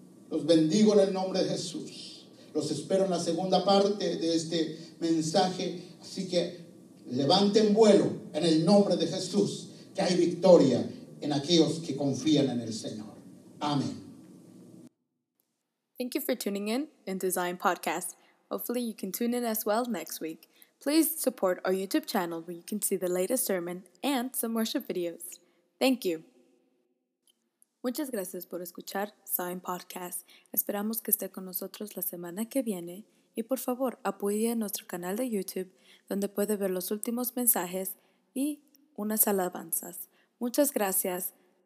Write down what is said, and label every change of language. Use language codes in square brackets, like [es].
[es] Los bendigo en el nombre de Jesús. Los espero en la segunda parte de este mensaje. Así que levanten vuelo en el nombre de Jesús, que hay victoria en aquellos que confían en el Señor. Amén. [en] Thank you for tuning in Design Podcast. Hopefully you can tune in as well next week. Please support our YouTube channel where you can see the latest sermon and some worship videos. Thank you. [es] Muchas gracias por escuchar Sign Podcast. Esperamos que esté con nosotros la semana que viene y por favor apoye nuestro canal de YouTube donde puede ver los últimos mensajes y unas alabanzas. Muchas gracias.